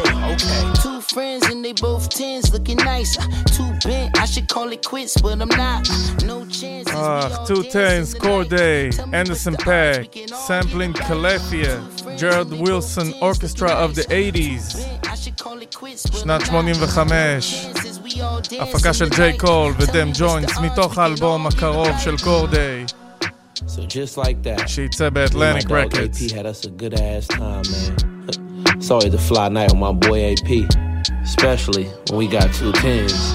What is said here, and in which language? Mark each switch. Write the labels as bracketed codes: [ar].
[en] Okay. Two friends and they both tens, looking nice. Too bent, I should call it quits, but I'm not. No chances. Two tens, Corday, Anderson .Paak, sampling Calathea, Gerald Wilson Orchestra of the 80s. [he] שנת 85, הפקה של ג'יי קול ודם ג'וינס מתוך האלבום הקרוב של קורדיי. [en] So just like that. [he] שיצא באטלנטיק רקורדס. [en] AP had us a good ass time, man. Sorry to fly night with my boy AP. Especially when we got two tens.